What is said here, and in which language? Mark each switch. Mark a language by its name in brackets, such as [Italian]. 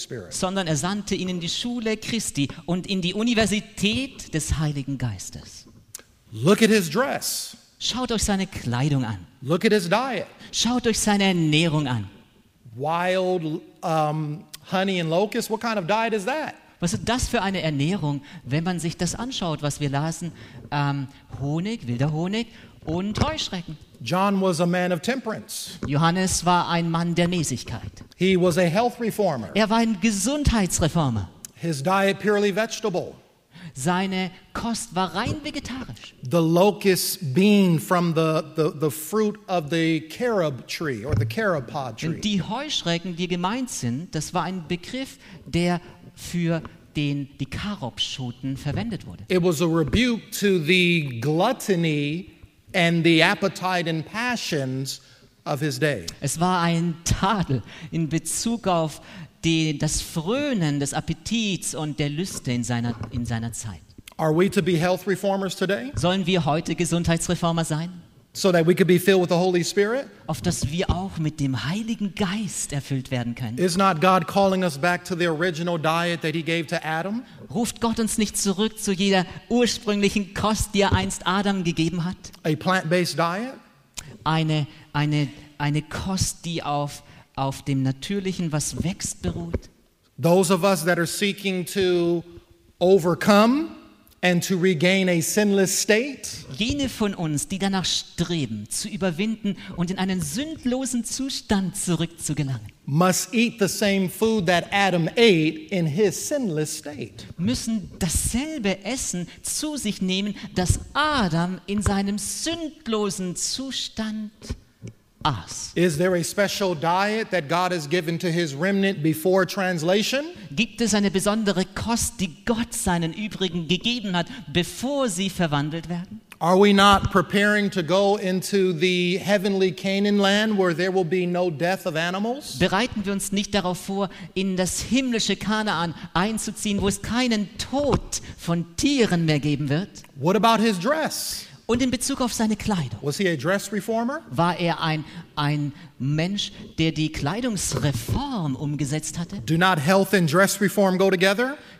[German] Sondern er sandte ihn in die Schule Christi und in die Universität des Heiligen Geistes. [English] Look at his dress. [German] Schaut euch seine Kleidung an. [English] Look at his diet. [German] Schaut euch seine Ernährung an. [English] Wild honey and locusts, what kind of diet is that? [German] Was ist das für eine Ernährung, wenn man sich das anschaut, was wir lasen? Honig, wilder Honig und Heuschrecken. [English] John was a man of temperance. [German] Johannes war ein Mann der Mäßigkeit. [English] He was a health reformer. [German] Er war ein Gesundheitsreformer. [English] His diet purely vegetable. [German] Seine Kost war rein vegetarisch. [English] The locust bean from the fruit of the carob tree or the carob pod tree. [German] Und die Heuschrecken, die gemeint sind, das war ein Begriff, der für den die Karobschoten verwendet wurde. [English] It was a rebuke to the gluttony and the appetite and passions of his day. [German] Es war ein Tadel in Bezug auf das Frönen des Appetits und der Lüste in seiner Zeit. [English] Are we to be health reformers today? [German] Sollen wir heute Gesundheitsreformer sein? [English] So that we could be filled with the Holy Spirit? [German] Auf dass wir auch mit dem Heiligen Geist erfüllt werden können. [English] Is not God calling us back to the original diet that he gave to Adam? [German] Ruft Gott uns nicht zurück zu jeder ursprünglichen Kost, die er einst Adam gegeben hat? [English] A plant-based diet? [German] Eine Kost, die auf dem Natürlichen, was wächst, beruht. [English] Those of us that are seeking to overcome and to regain a sinless state. [German] Jene von uns, die danach streben, zu überwinden und in einen sündlosen Zustand zurückzugelangen, [English] must eat the same food that Adam ate in his sinless state. [German] Müssen dasselbe Essen zu sich nehmen, das Adam in seinem sündlosen Zustand aß. [English] Is there a special diet that God has given to his remnant before translation? [German] Gibt es eine besondere Kost, die Gott seinen Übrigen gegeben hat, bevor sie verwandelt werden? [English] Are we not preparing to go into the heavenly Canaan land where there will be no death of animals? [German] Bereiten wir uns nicht darauf vor, in das himmlische Kanaan einzuziehen, wo es keinen Tod von Tieren mehr geben wird? [English] What about his dress? [German] Und in Bezug auf seine Kleidung. [English] Was he a dress reformer? [German] War er ein Mensch, der die Kleidungsreform umgesetzt hatte? [English] Do not health and dress reform go together?